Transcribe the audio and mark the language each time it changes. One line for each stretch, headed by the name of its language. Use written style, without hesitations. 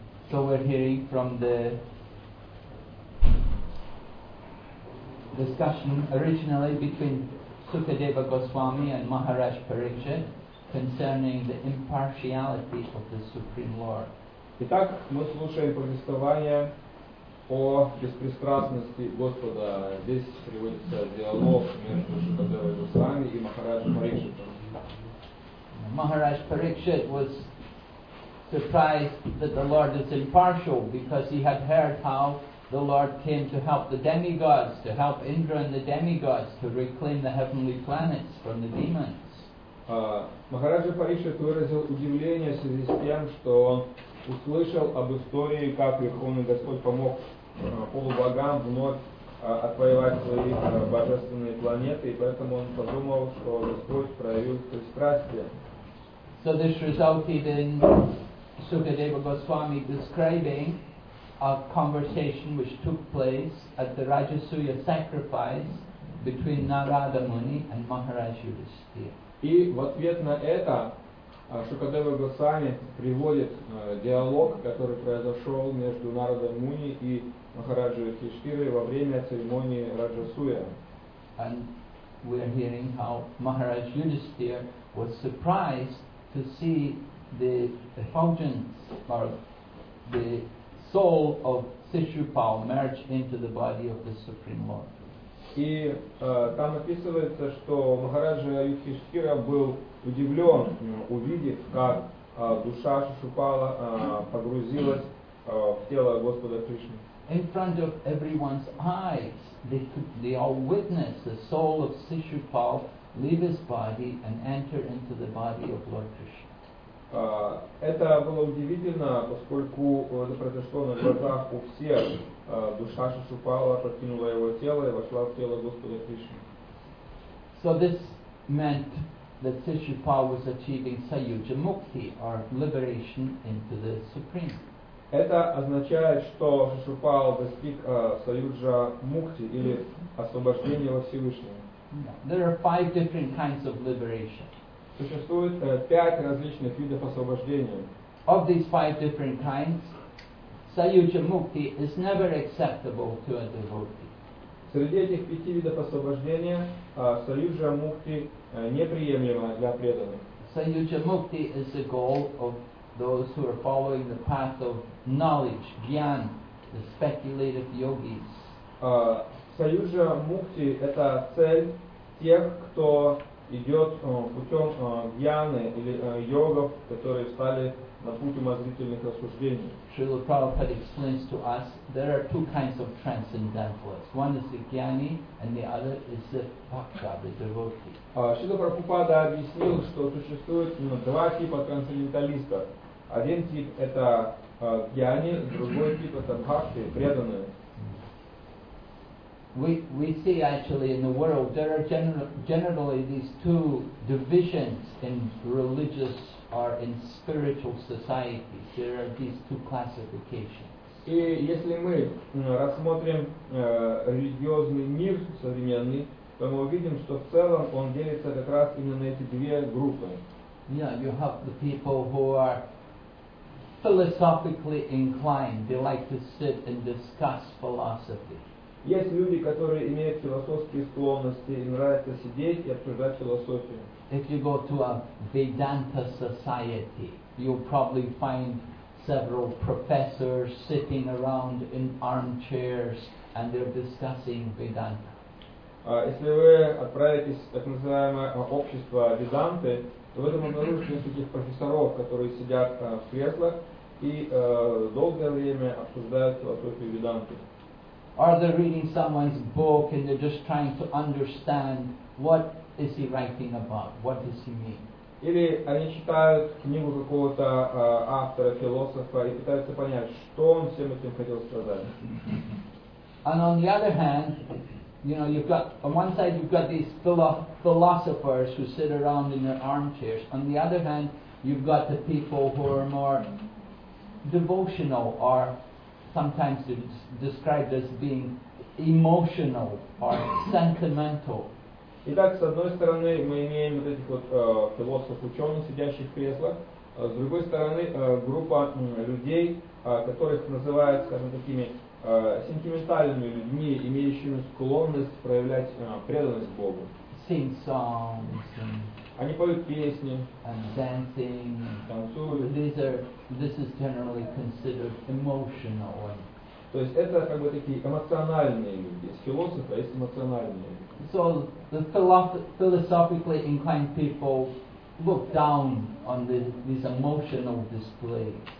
English: So we're hearing from the discussion originally between Sukadeva Goswami and Maharaj Parikshit concerning the impartiality of the Supreme Lord.
Russian: Итак, мы слушаем повествование о беспристрастности Господа. Здесь приводится диалог между Шукадевой Госвами и Махараджа Парикшитом.
English: Махарадж Парикшит was surprised that the Lord is impartial because he had heard how the Lord came to help the demigods, to help Indra and the demigods to reclaim the heavenly planets from the demons.
Russian: Махараджа Парикшит выразил удивление в связи с тем, что он услышал об истории, как Верховный Господь помог полубогам вновь отвоевать свои божественные планеты, и поэтому он подумал, что Господь проявил пристрастие.
English: So this resulted in Sukadeva Goswami describing a conversation which took place at the Rajasuya sacrifice between Narada Muni and Maharaj Yudhisthira.
Russian: И в ответ на это А Шукадева Госвами приводит диалог, который произошел между Нарадом Муни и Махараджей Юдхиштхирой во время церемонии Раджасуя.
English: And we are hearing how Maharaj Yudhisthira was surprised to see the effulgence or the soul of Sishupal merge into the body of the Supreme Lord.
Russian: И там описывается, что Махараджа Юдхиштхира был удивлен, увидев, как душа Шишупала погрузилась в тело Господа Кришны.
English: In front of everyone's eyes, they all witnessed the soul of Sishupal leave his body and enter into the body of Lord Krishna.
Russian: Это было удивительно, поскольку это произошло на глазах у всех. Душа Шишупала покинула его тело и вошла в тело Господа Кришны.
English: So this meant that Sishupala was achieving Sayuja Mukti, or liberation into the Supreme.
Russian: Это означает, что Шишупала достиг Саюджа Мукти, или освобождения во Всевышнего.
English: There are five different kinds of liberation.
Russian: Существует пять различных видов освобождения.
English: Of these five different kinds, Sayuja Mukti is never acceptable to a devotee.
Russian: Среди этих пяти видов освобождения, Саюджа Мукти неприемлема для преданных.
English: Sayuja Mukti is the goal of those who are following the path of knowledge, jnan, the speculative yogis.
Russian: Саюджа Мукти – это цель тех, кто идет путем джняны или йогов, которые стали на путь умозрительных рассуждений.
English: Srila Prabhupada explains to us there are two kinds of transcendentalists. One is the jnani and the other is the bhakta, the devotee.
Russian: Srila Prabhupada объяснил, что существует два типа трансценденталистов. Один тип – это джняни, другой тип – это бхакти, преданные.
English: We see actually in the world there are generally these two divisions in religious or in spiritual societies. There are these two classifications.
Russian: И если мы рассмотрим религиозный мир современный, то мы увидим, что в целом он делится как раз именно на эти две группы.
English: Yeah, you have the people who are philosophically inclined. They like to sit and discuss philosophy.
Russian: Есть люди, которые имеют философские склонности и нравится сидеть и обсуждать философию.
English: If you go to a Vedanta society, you'll probably find several professors sitting around in armchairs and they're discussing Vedanta.
Russian: Если вы отправитесь в так называемое общество Веданты, то вы там обнаружите таких профессоров, которые сидят в креслах и долгое время обсуждают философию Веданты.
English: Are they reading someone's book and they're just trying to understand what is he writing about? What does he mean?
Russian: Или они читают книгу какого-то автора, философа и пытаются понять, что он всем этим хотел сказать.
English: And on the other hand, you know, you've got on one side you've got these philosophers who sit around in their armchairs. On the other hand, you've got the people who are more devotional or sometimes it's described as being emotional or sentimental.
Russian: Итак, с одной стороны, мы имеем вот этих вот философ-ученых, сидящих в креслах. С другой стороны, группа людей, которых называют, скажем, такими сентиментальными людьми, имеющими склонность проявлять преданность Богу.
English: Sing songs.
Russian: Они поют песни.
English: And dancing.
Russian: Танцуют.
English: This is generally considered emotional.
Russian: То есть это как бы такие эмоциональные люди. Есть философы, а есть эмоциональные люди.
English: So the philosophically inclined people look down on these emotional displays.